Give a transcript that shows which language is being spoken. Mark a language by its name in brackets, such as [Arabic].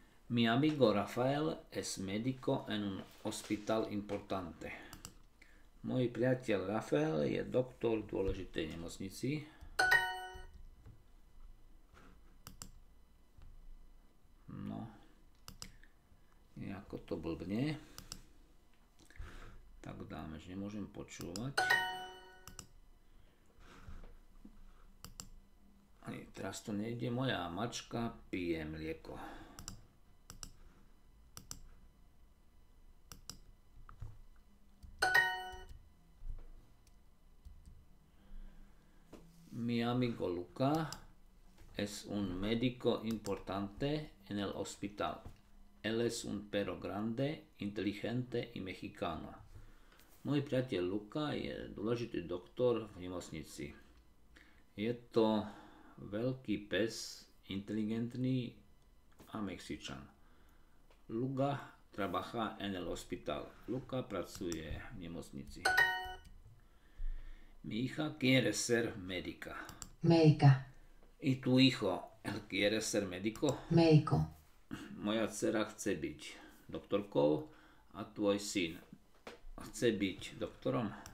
[Spanish] Mi amigo Rafael es médico en un hospital importante. [Slovak] Môj priateľ Rafael je doktor v dôležitej nemocnici. No. Nejako to blbne. Tak dáme, že nemôžem počúvať. Ani teraz to nejde. Moja mačka pije mlieko. [Spanish] Mi amigo Luca es un médico importante en el hospital. Él es un perro grande, inteligente y mexicano. [Slovak] Môj priateľ Luca je dôležitý doktor v nemocnici. Je to veľký pes, inteligentný a Mexičan. [Spanish] Luca trabaja en el hospital. [Slovak] Luca pracuje v nemocnici. [Spanish] Mi hija quiere ser médica. Médica. ¿Y tu hijo, él quiere ser médico? Médico. [Slovak] Moja dcera chce byť doktorkou a tvoj syn chce byť doktorom.